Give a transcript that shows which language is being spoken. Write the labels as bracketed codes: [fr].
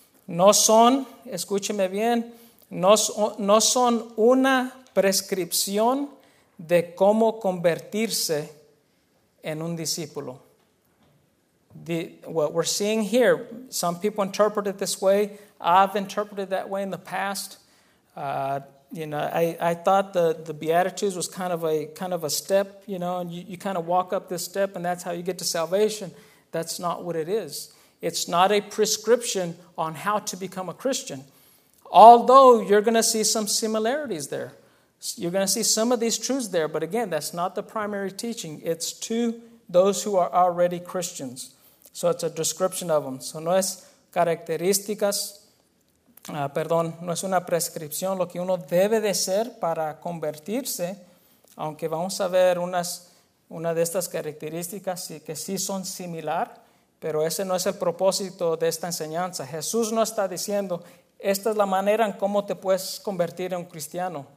[es] No son, escúcheme bien, no son una prescripción de cómo convertirse en un discípulo. [en] What we're seeing here, some people interpret it this way. I've interpreted that way in the past. I thought the Beatitudes was kind of a step, you know, and you kind of walk up this step and that's how you get to salvation. That's not what it is. It's not a prescription on how to become a Christian. Although you're going to see some similarities there. You're going to see some of these truths there. But again, that's not the primary teaching. It's to those who are already Christians. So it's a description of them. [es] So no es características, perdón, no es una prescripción lo que uno debe de ser para convertirse. Aunque vamos a ver una de estas características que sí son similar. Pero ese no es el propósito de esta enseñanza. Jesús no está diciendo, esta es la manera en cómo te puedes convertir en un cristiano.